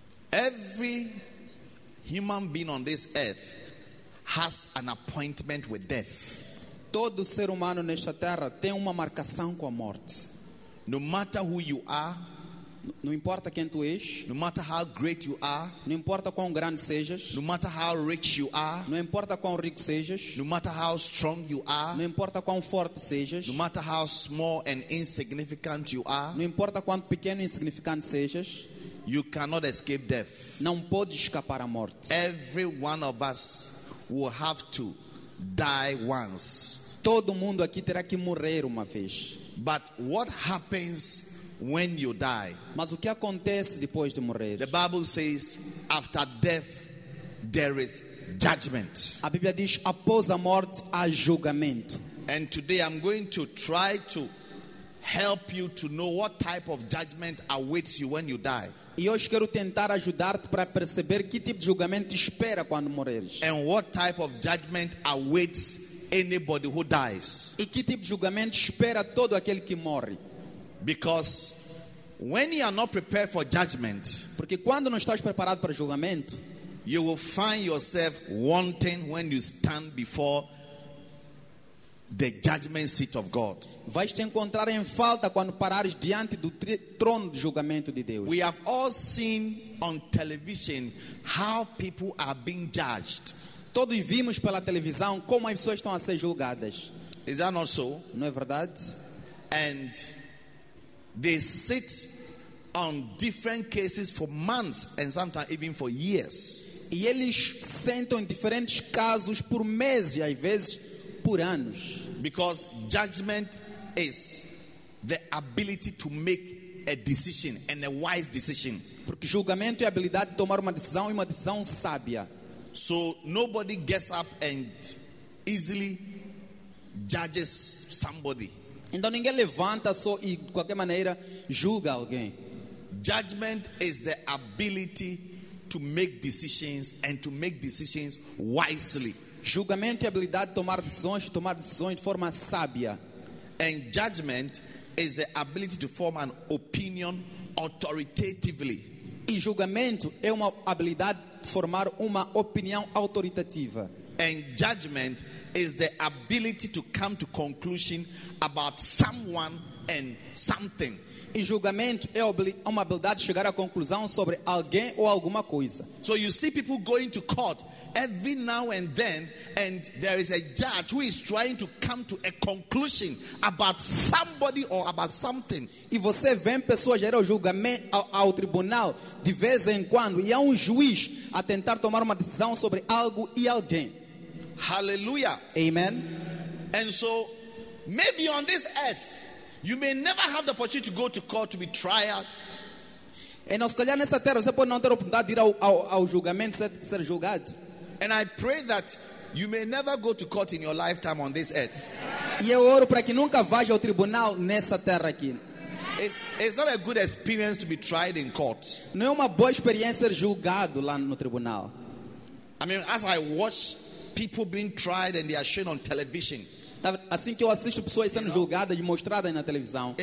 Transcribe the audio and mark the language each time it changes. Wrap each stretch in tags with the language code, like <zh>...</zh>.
<en>Every human being on this earth has an appointment with death.</en> <pt>Todo ser humano nesta terra tem uma marcação com a morte.</pt> <en>No matter who you are,</en> <pt>não importa quem tu és,</pt> <en>no matter how great you are,</en> <pt>não importa quão grande sejas,</pt> <en>no matter how rich you are,</en> <pt>não importa quão rico sejas,</pt> <en>no matter how strong you are,</en> <pt>não importa quão forte sejas,</pt> <en>no matter how small and insignificant you are,</en> <pt>não importa quão pequeno e insignificante sejas,</pt> <en>you cannot escape death.</en> <pt>Não pode escapar à morte.</pt> <en>Every one of us will have to die once.</en> <pt>Todo mundo aqui terá que morrer uma vez.</pt> <en>But what happens when you die?</en> <pt>Mas o que acontece depois de morrer?</pt> <en>The Bible says, after death, there is judgment.</en> <pt>A Bíblia diz, após a morte, há julgamento.</pt> <en>And today I'm going to try to help you to know what type of judgment awaits you when you die.</en> <pt>E hoje quero tentar ajudar-te para perceber que tipo de julgamento te espera quando morreres.</pt> <en>And what type of judgment awaits anybody who dies?</en> <pt>E que tipo de julgamento espera todo aquele que morre?</pt> <en>Because when you are not prepared for judgment,</en> <pt>porque quando não estás preparado para julgamento,</pt> <en>you will find yourself wanting when you stand before the judgment seat of God.</en> <pt>Vais te encontrar em falta quando parares diante do trono de julgamento de Deus.</pt> <en>We have all seen on television how people are being judged.</en> <pt>Todos vimos pela televisão como as pessoas estão a ser julgadas.</pt> <en>Is that not so?</en> <pt>Não é verdade?</pt> <en>And they sit on different cases for months and sometimes even for years.</en> <pt>E eles sentam em diferentes casos por meses, às vezes por anos.</pt> <en>Because judgment is the ability to make a decision, and a wise decision.</en> <pt>Porque julgamento é a habilidade de tomar uma decisão, e uma decisão sábia.</pt> <en>So nobody gets up and easily judges somebody.</en> <pt>Então ninguém levanta só e de qualquer maneira julga alguém.</pt> <en>Judgment is the ability to make decisions, and to make decisions wisely.</en> <pt>Julgamento é a habilidade de tomar decisões de forma sábia.</pt> <en>And judgment is the ability to form an opinion authoritatively.</en> <pt>E julgamento é uma habilidade formar uma opinião autoritativa.</pt> <en>And judgment is the ability to come to conclusion about someone and something.</en> <pt>E julgamento é uma habilidade de chegar à conclusão sobre alguém ou alguma coisa.</pt> <en>So you see people going to court every now and then, and there is a judge who is trying to come to a conclusion about somebody or about something.</en> <pt>E você vê pessoas ir ao julgamento ao tribunal de vez em quando, e há juiz a tentar tomar uma decisão sobre algo e alguém. Hallelujah. Amen.</pt> <en>And so maybe on this earth you may never have the opportunity to go to court to be tried.</en> <pt>E nós calhar nesta terra você pode não ter a oportunidade de ir ao julgamento ser julgado.</pt> <en>And I pray that you may never go to court in your lifetime on this earth.</en> <pt>E eu oro para que nunca vá ao tribunal nesta terra aqui.</pt> <en>It's not a good experience to be tried in court.</en> <pt>Não é uma boa experiência ser julgado lá no tribunal.</pt> <en>I mean, as I watch people being tried and they are shown on television.</en> <pt>Assim que eu assisto pessoas sendo julgadas e mostradas na televisão.</pt>